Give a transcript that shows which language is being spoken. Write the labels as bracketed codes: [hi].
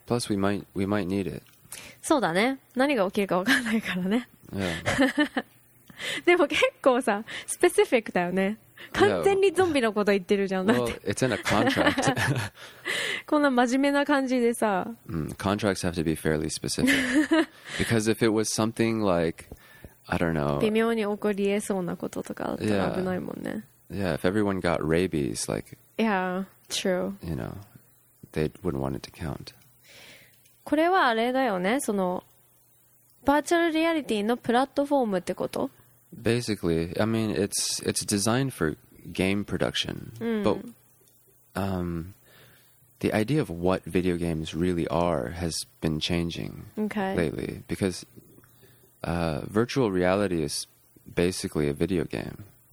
[en] Plus we might need it. [ja] そうだね。何が起きるか分からないからね。 [en] Yeah. [ja] でも結構さ、スペシフィックだよね。完全にゾンビのこと言ってるじゃん。 [en] Well, it's in a contract. [ja] こんな真面目な感じでさ。 [en] Contracts have to be fairly specific. Because if it was something like, I don't know. [ja] 微妙に起こりえそうなこととかあったら危ないもんね。 [en] Yeah, if everyone got rabies, like... Yeah, true. You know, they wouldn't want it to count. [ja] これはあれだよね、その、バーチャルリアリティのプラットフォームってこと? [en] Basically, I mean, it's designed for game production. But the idea of what video games really are has been changing lately. Because virtual reality is basically a video game.